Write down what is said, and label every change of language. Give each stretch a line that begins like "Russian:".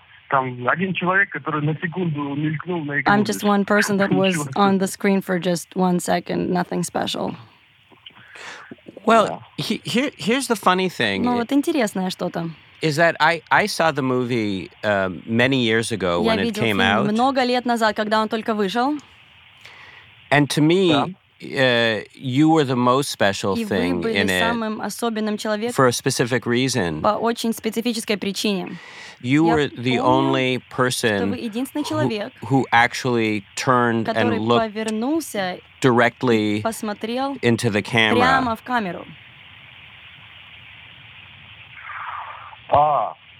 English: I'm just one person that was on the screen for just 1 second, nothing special. Well, here's the funny thing. Is that I saw the movie many years ago when it came out.
Russian: Много лет назад, когда он только вышел.
English: And to me, you were the most special thing in it for a specific reason. You were the only person who actually turned and looked directly into the camera.